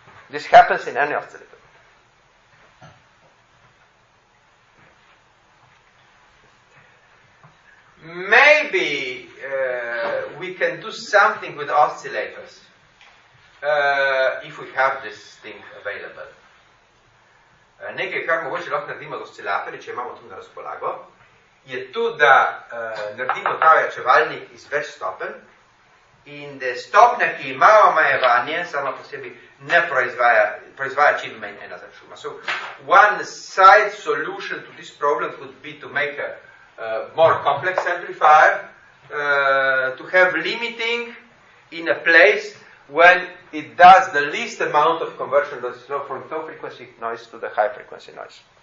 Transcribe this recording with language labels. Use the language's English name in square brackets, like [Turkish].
[English] This happens in any oscillator. Maybe we can do something with oscillators. If we have this thing available. [Slovenian] Nekaj, kar mogoče lahko naredimo z oscilatorji, če imamo to na razpolago, je to, da naredimo ta ojačevalnik iz več stopen in da stopnja, ki ima omejevanje, samo po sebi ne proizvaja čim manj ena za šuma. [English] So, one side solution to this problem would be to make a more complex amplifier, to have limiting in a place when it does the least amount of conversion from low frequency noise to the high frequency noise.